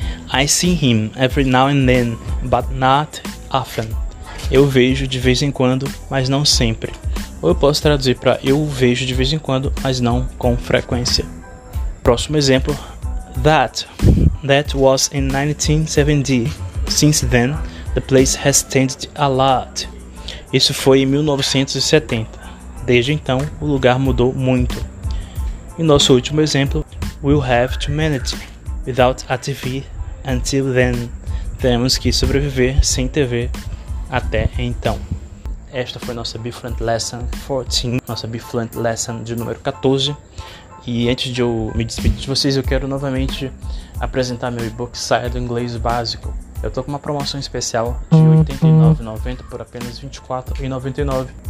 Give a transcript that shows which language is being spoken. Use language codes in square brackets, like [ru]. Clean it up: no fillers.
[en] I see him every now and then, but not often. [pt] Eu vejo de vez em quando, mas não sempre. Ou eu posso traduzir para eu vejo de vez em quando, mas não com frequência. Próximo exemplo. [en] That was in 1970. Since then, the place has changed a lot. [pt] Isso foi em 1970. Desde então, o lugar mudou muito. E nosso último exemplo. [en] We'll have to manage without a TV until then. [pt] Teremos que sobreviver sem TV até então. Esta foi nossa Bfluent Lesson 14, nossa Bfluent Lesson de número 14. E antes de eu me despedir de vocês, eu quero novamente apresentar meu e-book Saia do Inglês Básico. Eu tô com uma promoção especial de R$89,90 por apenas R$24,99.